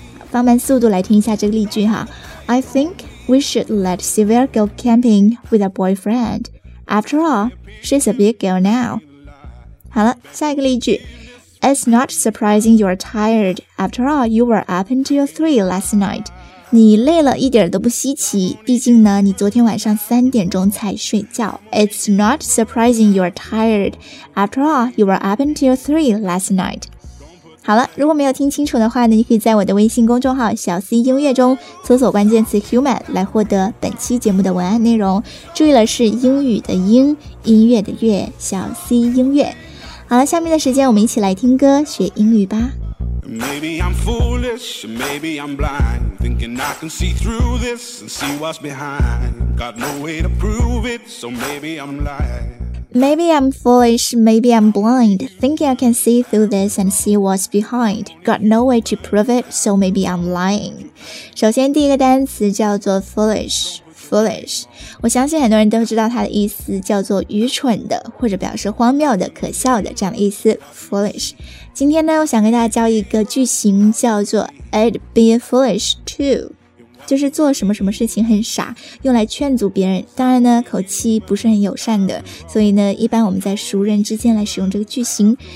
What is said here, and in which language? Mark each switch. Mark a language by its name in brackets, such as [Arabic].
[Chinese] 放慢速度来听一下这个例句哈。 [English] I thinkWe should let Sevilla go camping with a boyfriend. After all, she's a big girl now. [Chinese] 好了，下一个例句。 [English] It's not surprising you're tired. After all, you were up until 3 last night. [Chinese] 你累了一点都不稀奇，毕竟呢，你昨天晚上三点钟才睡觉。 [English] It's not surprising you're tired. After all, you were up until 3 last night. [Chinese] 好了，如果没有听清楚的话呢，你可以在我的微信公众号小 C 音乐中搜索关键词 human 来获得本期节目的文案内容。注意了，是英语的英，音乐的乐，小 C 音乐。好了，下面的时间我们一起来听歌学英语吧。 [English] Maybe I'm foolish, maybe I'm blind, thinking I can see through this and see what's behind. Got no way to prove it, so maybe I'm lying Maybe I'm foolish, maybe I'm blind, thinking I can see through this and see what's behind. Got no way to prove it, so maybe I'm lying. [Chinese] 首先第一个单词叫做 foolish, foolish. 我相信很多人都知道它的意思，叫做愚蠢的，或者表示荒谬的、可笑的这样的意思， foolish. 今天呢，我想跟大家教一个句型，叫做 [English] I'd be foolish too. [Chinese] 就是做什么什么事情很傻，用来劝阻别人，当然呢口气不是很友善的，所以呢一般我们在熟人之间来使用这个句型。